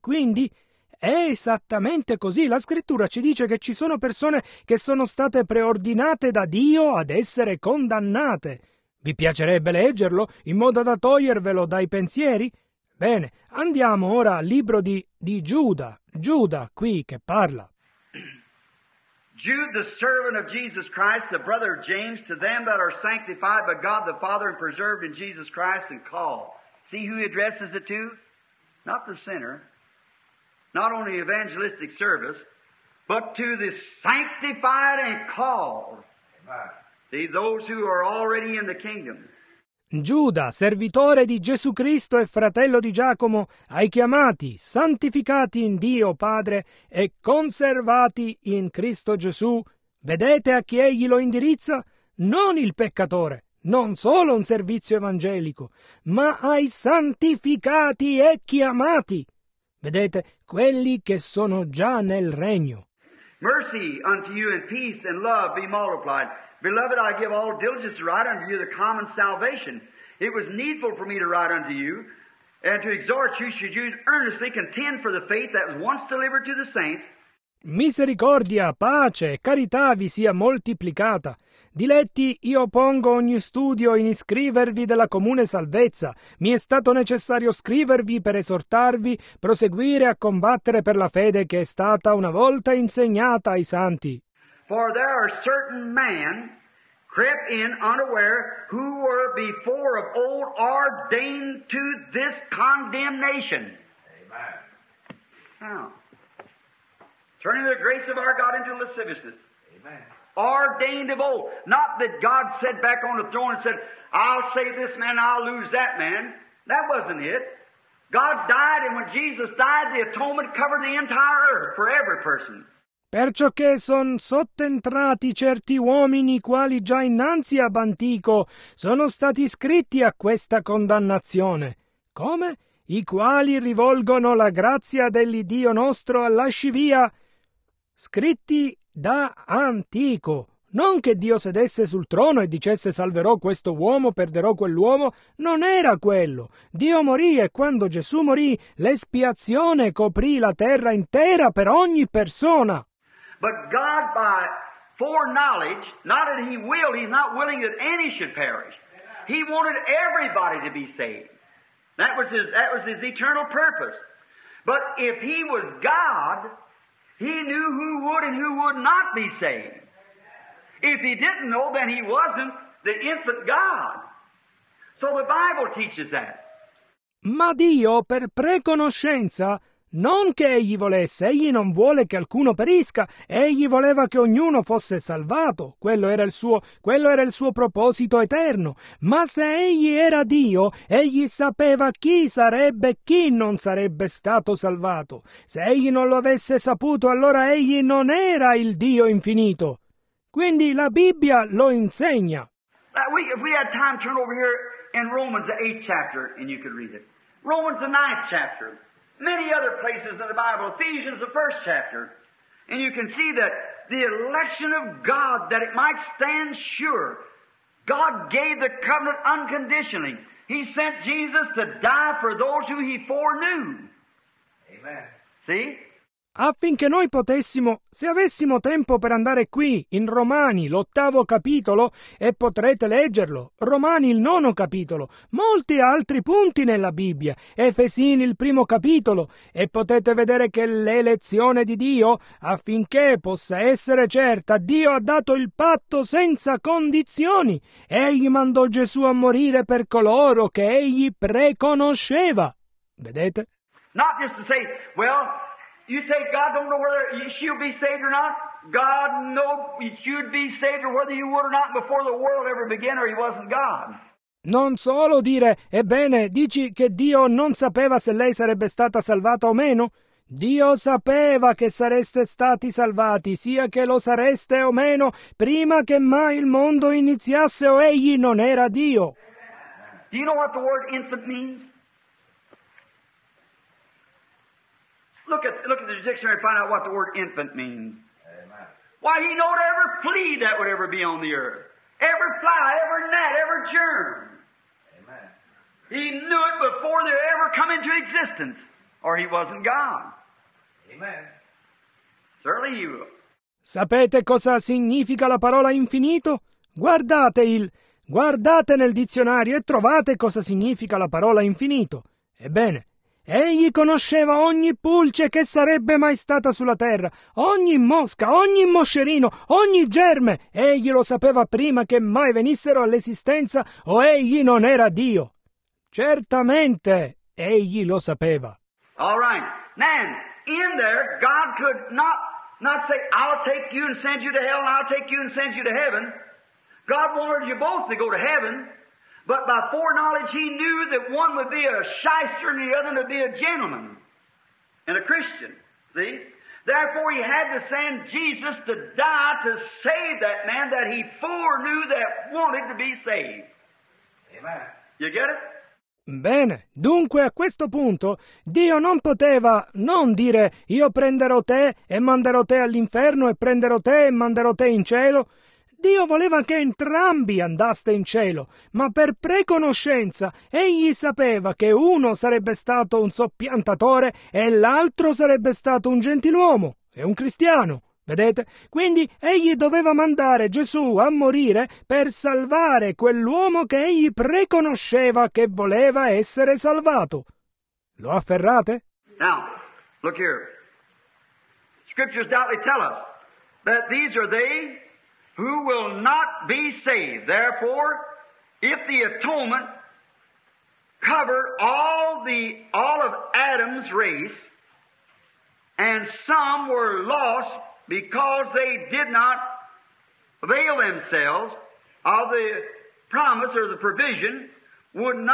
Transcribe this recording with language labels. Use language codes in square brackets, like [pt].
[it] Quindi è esattamente così. La scrittura ci dice che ci sono persone che sono state preordinate da Dio ad essere condannate. Vi piacerebbe leggerlo in modo da togliervelo dai pensieri? Bene, andiamo ora al libro di Giuda. Giuda qui che parla. [en] Jude, the servant of Jesus Christ, the brother of James, to them that are sanctified by God the Father and preserved in Jesus Christ and called. See who he addresses it to? Not the sinner, not only evangelistic service, but to the sanctified and called. See, those who are already in the kingdom. [it] Giuda, servitore di Gesù Cristo e fratello di Giacomo, ai chiamati, santificati in Dio Padre e conservati in Cristo Gesù, vedete a chi egli lo indirizza? Non il peccatore, non solo un servizio evangelico, ma ai santificati e chiamati. Vedete, quelli che sono già nel regno. [en] Mercy unto you and peace and love be multiplied. Beloved, I give all diligence to write unto you the common salvation. It was needful for me to write unto you, and to exhort you, should you earnestly contend for the faith that was once delivered to the saints. [it] Misericordia, pace, carità vi sia moltiplicata. Diletti, io pongo ogni studio in iscrivervi della comune salvezza. Mi è stato necessario scrivervi per esortarvi, proseguire a combattere per la fede che è stata una volta insegnata ai santi. [en] For there are certain men crept in unaware who were before of old ordained to this condemnation. Amen. Now, turning the grace of our God into lasciviousness. Amen. Ordained of old. Not that God sat back on the throne and said, I'll save this man, I'll lose that man. That wasn't it. God died, and when Jesus died, the atonement covered the entire earth for every person. [it] Perciò che son sottentrati certi uomini quali già innanzi ab antico sono stati iscritti a questa condannazione. Come? I quali rivolgono la grazia dell'Iddio nostro alla scivia. Scritti da antico. Non che Dio sedesse sul trono e dicesse salverò questo uomo, perderò quell'uomo. Non era quello. Dio morì e quando Gesù morì l'espiazione coprì la terra intera per ogni persona. [en] But God by foreknowledge, not that he willed, he's not willing that any should perish. He wanted everybody to be saved. That was his eternal purpose. But if he was God, he knew who would and who would not be saved. If he didn't know, then he wasn't the infant God. So the Bible teaches that. [it] Ma Dio, per preconoscenza, non che egli volesse, egli non vuole che alcuno perisca, egli voleva che ognuno fosse salvato, quello era il suo proposito eterno. Ma se egli era Dio, egli sapeva chi sarebbe e chi non sarebbe stato salvato. Se egli non lo avesse saputo, allora egli non era il Dio infinito. Quindi la Bibbia lo insegna. [en] We had time to turn over here in Romans the 8th chapter and you could read it. Romans the 9th chapter. Many other places in the Bible, Ephesians the 1st chapter, and you can see that the election of God, that it might stand sure, God gave the covenant unconditionally. He sent Jesus to die for those who he foreknew. Amen. See? [it] Affinché noi potessimo, se avessimo tempo per andare qui, in Romani, l'ottavo capitolo, e potrete leggerlo, Romani, il nono capitolo, molti altri punti nella Bibbia, Efesini, il primo capitolo, e potete vedere che l'elezione di Dio, affinché possa essere certa, Dio ha dato il patto senza condizioni. Egli mandò Gesù a morire per coloro che egli preconosceva. Vedete? [en] Not just to say, well, you say God don't know whether she'll be saved or not. God knows you'd be saved or whether you would or not before the world ever began or he wasn't God. [it] Non solo dire, ebbene, dici che Dio non sapeva se lei sarebbe stata salvata o meno. Dio sapeva che sareste stati salvati, sia che lo sareste o meno, prima che mai il mondo iniziasse o egli non era Dio. [en] Do you know what the word infant means? Look at the dictionary and find out what the word infant means. Amen. Why, he knowed every flea that would ever be on the earth. Every fly, every gnat, every germ. Amen. He knew it before they ever come into existence, or he wasn't God. Amen. Certainly you will. [it] Sapete cosa significa la parola infinito? Guardate nel dizionario e trovate cosa significa la parola infinito. Ebbene. Egli conosceva ogni pulce che sarebbe mai stata sulla terra, ogni mosca, ogni moscerino, ogni germe. Egli lo sapeva prima che mai venissero all'esistenza o egli non era Dio. Certamente egli lo sapeva. [en] All right. Man, in there God could not say, I'll take you and send you to hell and I'll take you and send you to heaven. God wanted you both to go to heaven. But by foreknowledge, he knew that one would be a shyster and the other would be a gentleman and a Christian. See? Therefore, he had to send Jesus to die to save that man that he foreknew that wanted to be saved. Amen. You get it? [it] Bene, dunque a questo punto Dio non poteva non dire io prenderò te e manderò te all'inferno e prenderò te e manderò te in cielo. Dio voleva che entrambi andaste in cielo, ma per preconoscenza egli sapeva che uno sarebbe stato un soppiantatore e l'altro sarebbe stato un gentiluomo e un cristiano, vedete? Quindi egli doveva mandare Gesù a morire per salvare quell'uomo che egli preconosceva che voleva essere salvato. Lo afferrate? [en] Now, look here. Scriptures doubtless tell us that these are they who will not be saved. Therefore, if the atonement cover all of Adam's race, and some were lost because they did not avail themselves of the promise or the provision, will